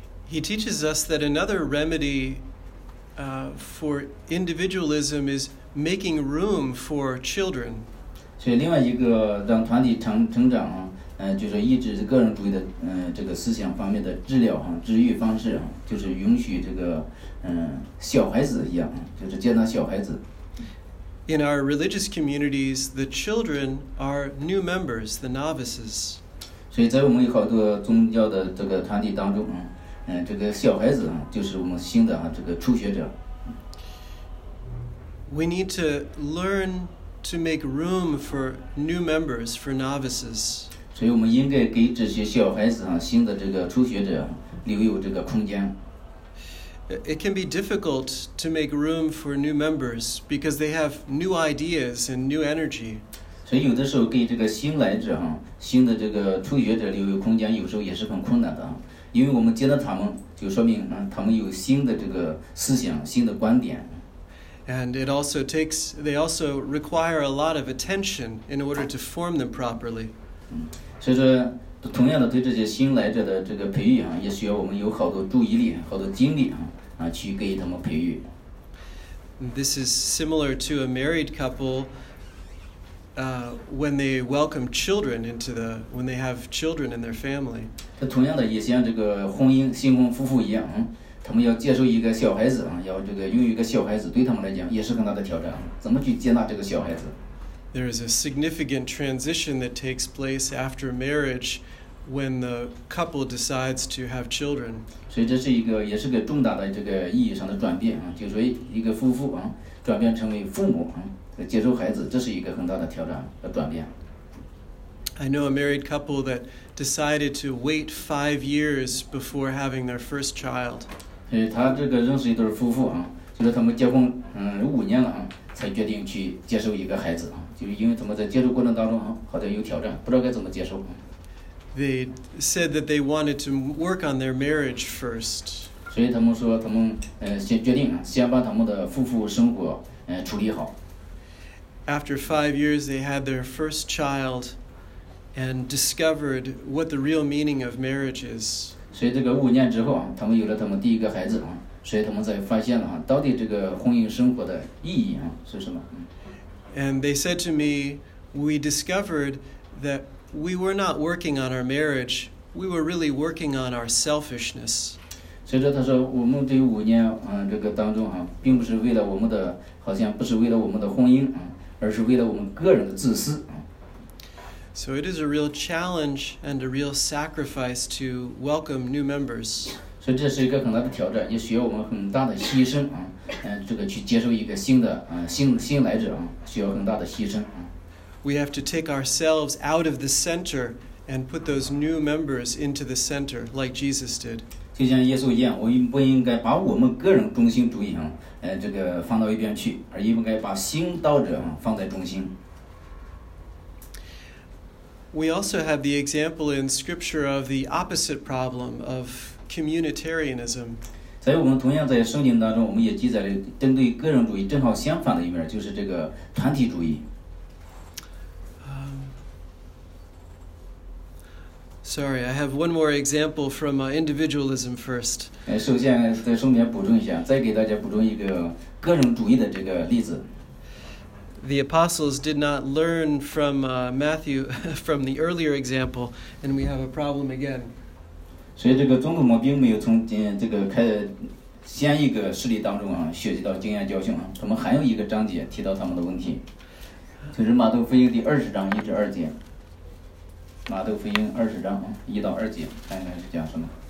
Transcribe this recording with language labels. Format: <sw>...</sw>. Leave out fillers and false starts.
<en>He teaches us that another remedy for individualism is making room for children.</en> <zh>所以另外一个让团体成长就是抑制个人主义的这个思想方面的治疗治愈方式就是允许这个小孩子一样就是接纳小孩子。</zh> <en>In our religious communities, the children are new members, the novices.</en> <zh>所以在我们有好多宗教的这个团体当中这个小孩子就是我们新的这个初学者。</zh> <en>We need to learn to make room for new members, for novices.</en> <zh>所以我们应该给这些小孩子新的这个初学者留有这个空间。</zh> <en>It can be difficult to make room for new members because they have new ideas and new energy.</en> <zh>所以有的时候给这个新来者哈，新的这个初学者留有空间，有时候也是很困难的啊。因为我们接到他们，就说明啊，他们有新的这个思想、新的观点。</zh> <en>And it also takes, they also require a lot of attention in order to form them properly.</en> <zh>所以说，同样的对这些新来者的这个培育啊，也需要我们有好多注意力、好多精力啊，去给他们培育。</zh> <en>This is similar to a married couple. When they welcome children into the, when they have children in their family.</en> <zh>这同样的也像这个婚姻新婚夫妇一样，他们要接受一个小孩子，要这个拥有一个小孩子，对他们来讲也是很大的挑战，怎么去接纳这个小孩子。</zh> <en>There is a significant transition that takes place after marriage when the couple decides to have children.</en> <zh>所以这是一个也是个重大的这个意义上的转变，就是一个夫妇转变成为父母，接受孩子，这是一个很大的挑战和转变。</zh> <en>I know a married couple that decided to wait 5 years before having their first child.</en> <zh>他这个认识一对夫妇啊，就是他们结婚5年了才决定去接受一个孩子，就因为他们在接受过程当中好像有挑战，不知道该怎么接受。</zh> <en>They said that they wanted to work on their marriage first.</en> <zh>所以他们说他们先决定先把他们的夫妇生活处理好。</zh> <en>After 5 years, they had their first child and discovered what the real meaning of marriage is.</en> <zh>所以这个5年之后啊，他们有了他们第一个孩子啊，所以他们才发现了啊，到底这个婚姻生活的意义啊是什么。</zh> <en>And they said to me, we discovered that we were not working on our marriage, we were really working on our selfishness.</en> <zh>所以说他说我们这5年这个当中啊，并不是为了我们的，好像不是为了我们的婚姻啊，而是为了我们个人的自私。</zh> <en>So it is a real challenge and a real sacrifice to welcome new members.</en> <zh>所以这是一个很大的挑战，也需要我们很大的牺牲啊，这个去接受一个新的新来者啊，需要很大的牺牲啊。</zh> <en>We have to take ourselves out of the center and put those new members into the center, like Jesus did.</en> <zh>就像耶稣一样，我们不应该把我们个人中心主义啊，这个放到一边去，而应该把新道者啊放在中心。</zh> <en>We also have the example in scripture of the opposite problem of communitarianism.</en> <zh>在我们同样在圣经当中，我们也记载了针对个人主义正好相反的一面，就是这个团体主义。</zh> <en>Sorry, I have one more example from individualism first.</en> <zh>首先再顺便补充一下，再给大家补充一个个人主义的这个例子。</zh> <en>The apostles did not learn from Matthew from the earlier example, and we have a problem again.</en> <zh>所以这个宗徒们并没有从这个开先一个事例当中啊学习到经验教训啊。他们还有一个章节提到他们的问题，就是马窦福音第20章1-2节。马窦福音20章1-2节，看看是讲什么。</zh>